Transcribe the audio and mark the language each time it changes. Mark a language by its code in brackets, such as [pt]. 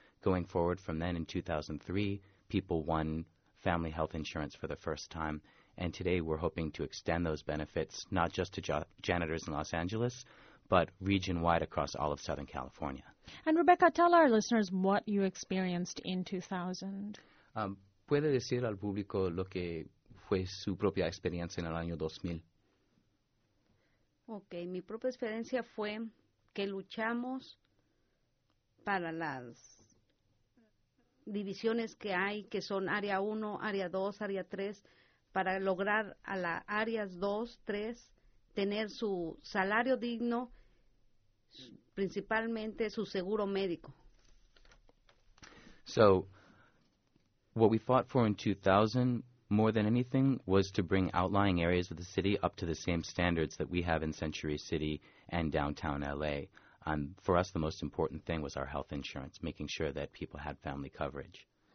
[en] Going forward from then in 2003, people won family health insurance for the first time. And today we're hoping to extend those benefits not just to janitors in Los Angeles, but region-wide across all of Southern California. And Rebecca, tell our listeners what you experienced in 2000. [es] ¿Puede decir al público lo que fue su propia experiencia en el año 2000? Ok, mi propia experiencia fue que luchamos para las divisiones que hay, que son área 1, área 2, área 3, para lograr a las áreas 2, 3, tener su salario digno, principalmente su seguro médico. [en] So, what we fought for in 2000, more than anything, was to bring outlying areas of the city up to the same standards that we have in Century City and downtown L.A. For us, the most important thing was our health insurance, making sure that people had family coverage.